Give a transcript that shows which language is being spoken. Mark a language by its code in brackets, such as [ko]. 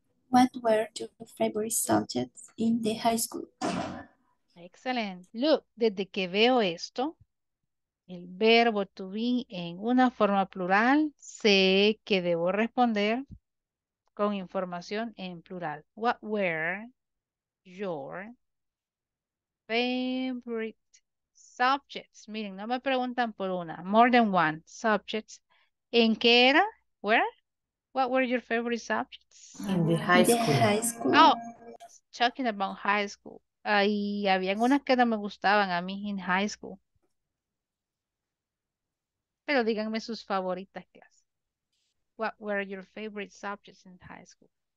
[en] What were your favorite subjects in the high school? Excellent. Look, [es] desde que veo esto, el verbo to be en una forma plural, sé que debo responder con información en plural. [en] What were your favorite subjects? [es] Miren, no me preguntan por una. [en] More than one subjects. [es] ¿En qué era? [en] Where? What were your favorite subjects? In the high school. The high school. Oh, talking about high school. [es] Ahí habían unas que no me gustaban a mí [en] in high school. [es] Pero díganme sus favoritas clases. [en] What were your favorite subjects in high school?